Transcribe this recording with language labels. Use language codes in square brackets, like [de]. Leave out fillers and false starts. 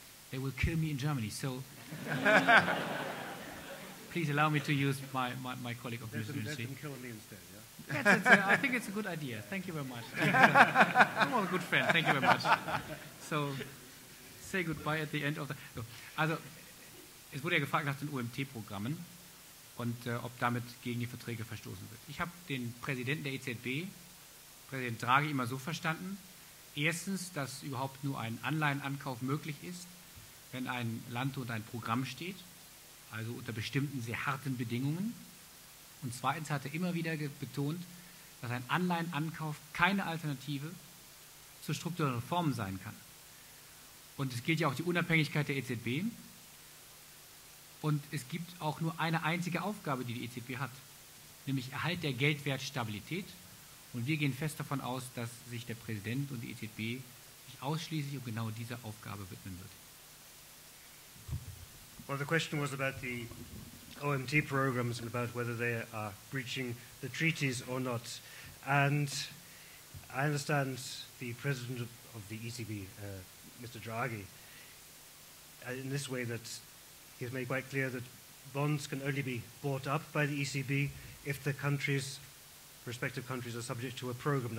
[en] they will kill me in Germany. So please allow me to use my colleague of the ministry. Let them kill me instead, yeah? I think it's a good idea. Thank you very much. I'm all a good friend. Thank you very much. So say goodbye at the end of the... [de] Also, es wurde ja gefragt nach den OMT-Programmen und ob damit gegen die Verträge verstoßen wird. Ich habe den Präsidenten der EZB, Präsident Draghi, immer so verstanden. Erstens, dass überhaupt nur ein Anleihenankauf möglich ist, wenn ein Land unter ein Programm steht, also unter bestimmten sehr harten Bedingungen. Und zweitens hat er immer wieder betont, dass ein Anleihenankauf keine Alternative zu strukturellen Reformen sein kann. Und es gilt ja auch die Unabhängigkeit der EZB. Und es gibt auch nur eine einzige Aufgabe, die die EZB hat, nämlich Erhalt der Geldwertstabilität. Und wir gehen fest davon aus, dass sich der Präsident und die EZB sich ausschließlich um genau diese Aufgabe widmen wird. [en] Well, the question was about the OMT programs and about whether they are breaching the treaties or not. And I understand the president of the ECB, Mr. Draghi, in this way that he has made quite clear that bonds can only be bought up by the ECB if the countries, respective countries, are subject to a program.